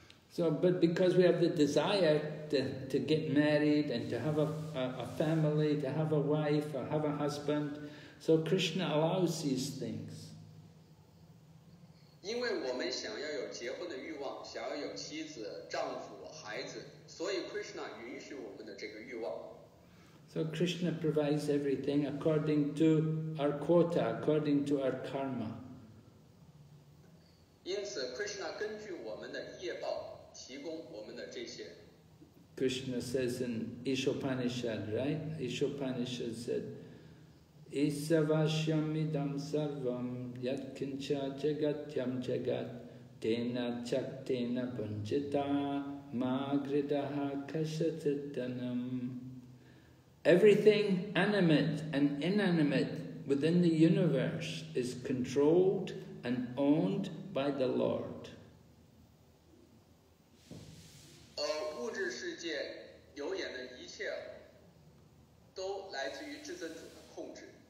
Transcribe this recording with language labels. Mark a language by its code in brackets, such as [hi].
[en] So, but because we have the desire to get married and to have a family, to have a wife or have a husband, so Krishna allows these things. [zh] 因为我们想要有结婚的欲望，想要有妻子、丈夫、孩子，所以 Krishna 允许我们的这个欲望。 [en] So Krishna provides everything according to our quota, according to our karma. [zh] 因此 Krishna 根据我们的业报提供我们的这些。 [en] Krishna says in Ishopanishad, right? Ishopanishad said, [sa] Isavashyam idam sarvam yat kincha jagatyam jagat tena chaktena panchita magridaha kashatitanam. [en] Everything animate and inanimate within the universe is controlled and owned by the Lord. [zh] 物质世界有眼的一切都来自于至尊主的控制。